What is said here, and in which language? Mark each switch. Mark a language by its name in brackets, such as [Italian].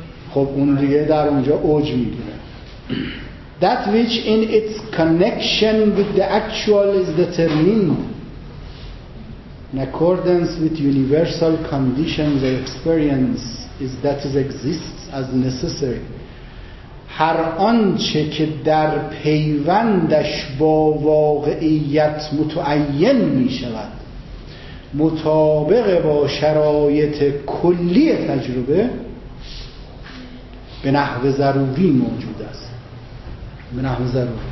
[Persian] خب اون دیگه در اونجا اوج میگیره. [English] That which in its connection with the actual is determined in accordance with universal conditions of experience is that is exists as necessary. [Persian] هر آنچه که در پیوندش با واقعیت متعین میشود مطابق با شرایط کلی تجربه به نحو ضروری موجود است. به نحو ضروری.